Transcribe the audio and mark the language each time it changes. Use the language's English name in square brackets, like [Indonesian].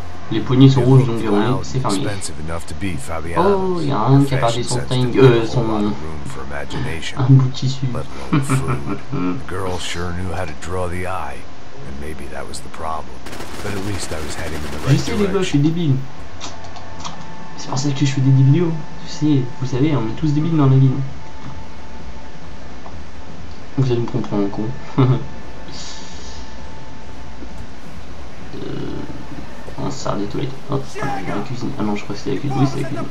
[French] Les poignées sont rouges, donc oui, c'est fermé. Oh, il y a un qui a perdu son ting, un bout de tissu. [English] La girl sure knew how to draw the eye, and maybe that was the problem. But at least I was heading in the right direction. [French] Je sais, les gars, je suis débile. C'est pour ça que je fais des vidéos. Tu sais, vous savez, on est tous débiles dans la vie. Vous allez me prendre pour un con. On sort des toilettes. Hop, c'est la cuisine. Ah non, je crois que c'est la cuisine. Oui, c'est la cuisine.